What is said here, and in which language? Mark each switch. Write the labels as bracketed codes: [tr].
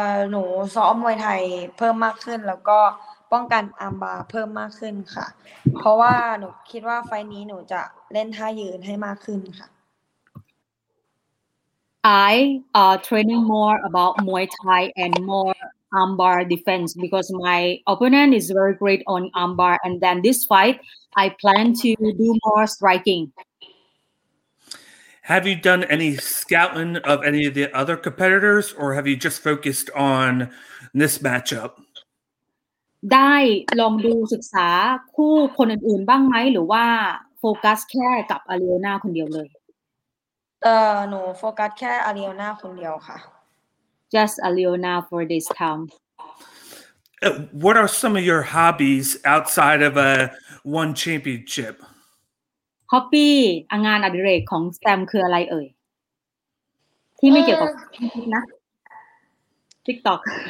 [th] หนูซ้อมมวยไทยเพิ่มมากขึ้นแล้วก็ป้องกันอาร์มบาร์เพิ่มมากขึ้นค่ะเพราะว่าหนูคิดว่าไฟนี้หนูจะเล่นท่ายืนให้มากขึ้นค่ะ [en] I training more about Muay Thai and more armbar defense, because my opponent is very great on armbar. And then this fight, I plan to do more striking. Have you done any scouting of any of the other competitors, or have you just focused on this matchup? [th] ได้ลองดูศึกษาคู่คนอื่นๆบ้างไหมหรือว่าโฟกัสแค่กับอาริโอน่าคนเดียวเลย หนูโฟกัสแค่อาริโอน่าคนเดียวค่ะ [en] Just Aliona for this time. What are some of your hobbies outside of a one championship? [th] ฮอบบี้งานอดิเรกของสแตมคืออะไรเอ่ยที่ไม่เกี่ยวกับนะ TikTok